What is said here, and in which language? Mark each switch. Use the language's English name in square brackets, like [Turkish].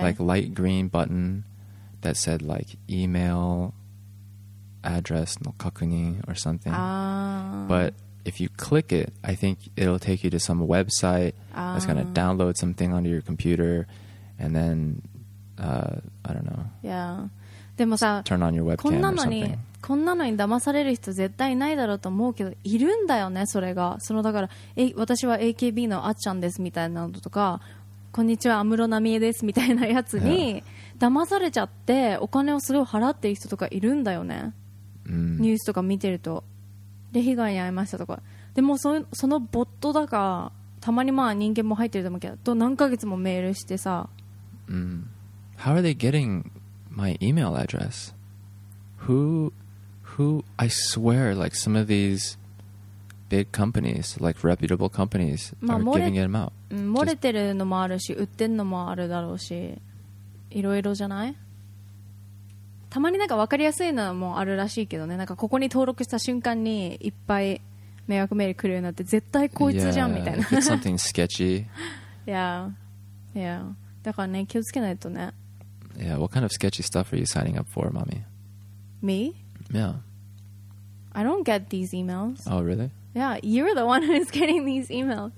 [English] Like light green button that said like email address [Japanese] no kakunin [English] or something. But if you click it, I think it'll take you to some website that's going to download something onto your computer and then, I don't know. Yeah. [Japanese] でもさ、 [English] turn on your webcam [Japanese] こんなのに [English] or something. [Japanese] こんなのに騙される人絶対ないだろうと思うけど、いるんだよね、それが。そのだから、私は AKB のあっちゃんですみたいなのとか、こんにちは安室奈美恵ですみたいなやつに騙されちゃってお金をすごい払ってる人とかいるんだよね、ニュースとか見てると。で、被害に遭いましたとか。でも そのボットだか、たまにまあ人間も入ってると思うけど、何ヶ月もメールしてさ、 [English] How are they getting my email address? Who I swear like some of these big companies, like reputable companies, are giving them out. [Japanese] 漏れてるのもあるし、売ってるのもあるだろうし、いろいろじゃない？たまになんか分かりやすいのもあるらしいけどね。なんかここに登録した瞬間にいっぱい迷惑メール来るようになって、絶対こいつじゃんみたいな。 [English] Yeah, something sketchy. Yeah, yeah. [Japanese] だからね、気をつけないとね。 [English] Yeah, what kind of sketchy stuff are you signing up for, mommy? Me? Yeah. I don't get these emails. Oh, really? Yeah, you're the one who's getting these emails.